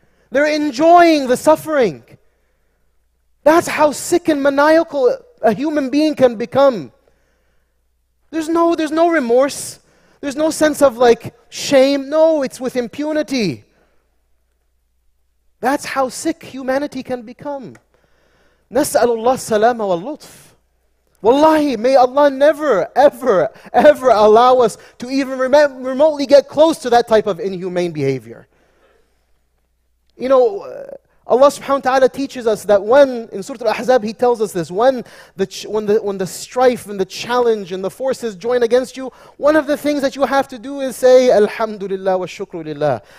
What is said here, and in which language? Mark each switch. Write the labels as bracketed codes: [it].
[en] They're enjoying the suffering. That's how sick and maniacal a human being can become. There's no remorse. There's no sense of like shame. No, it's with impunity. That's how sick humanity can become. [ar] نسأل الله السلامة واللطف. [en] Wallahi, may Allah never, ever, ever allow us to even remotely get close to that type of inhumane behavior. You know, Allah subhanahu wa ta'ala teaches us that when, in Surah Al-Ahzab, He tells us this, when the strife and the challenge and the forces join against you, one of the things that you have to do is say, Alhamdulillah wa shukrulillah.